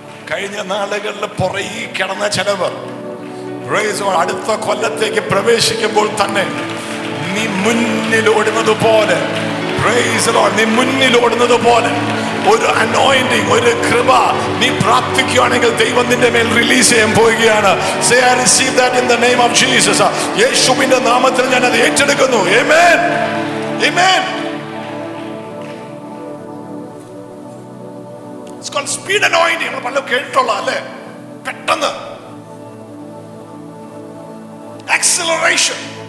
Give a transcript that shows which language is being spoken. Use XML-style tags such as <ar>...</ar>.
<ml>കഴിഞ്ഞ നാളുകളിൽ പുറകിൽ കിടന്ന ചിലവർ</ml> <en>praise Lord</en> <ml>അടുത്ത കൊല്ലത്തേക്ക് പ്രവേശിക്കുമ്പോൾ തന്നെ നീ മുന്നിലോടുന്നത് പോലെ, പ്രൈസ് ലോർഡ്, നീ മുന്നിലോടുന്നത് പോലെ ഒരു അനോയിന്റിംഗ്, ഒരു കൃപ നീ പ്രാപിക്കുകയാണെങ്കിൽ ദൈവം നിന്റെ മേൽ റിലീസ് ചെയ്യാൻ പോവുകയാണ്.</ml> <en>Say I receive that in the name of Jesus.</en> <ml>യേശുവിന്റെ നാമത്തിൽ ഞാൻ അത് ഏറ്റെടുക്കുന്നു. ആമേൻ, ആമേൻ.</ml> <en>It's called speed anointing.</en> <ml>നമ്മൾ പലതും കേട്ടിട്ടുള്ള അല്ലേ, പെട്ടെന്ന് acceleration.</ml>